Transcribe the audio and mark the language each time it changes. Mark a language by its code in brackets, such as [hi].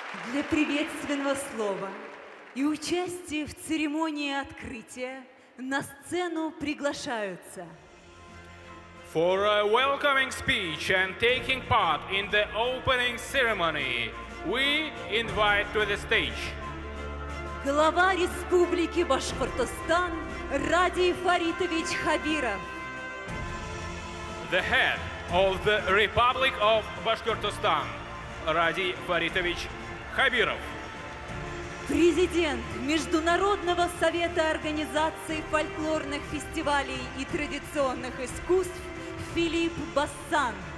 [ru] Для приветственного слова и участия в церемонии открытия на сцену приглашаются. [en] For a welcoming speech and taking part in the opening ceremony, we invite to the stage. [ru] Глава Республики Башкортостан Ради Фаритович Хабиров. [en] The head of the Republic of Bashkortostan, Ради Фаритович Хабиров. [ru] Президент Международного совета организации фольклорных фестивалей и традиционных искусств Филипп Бассан.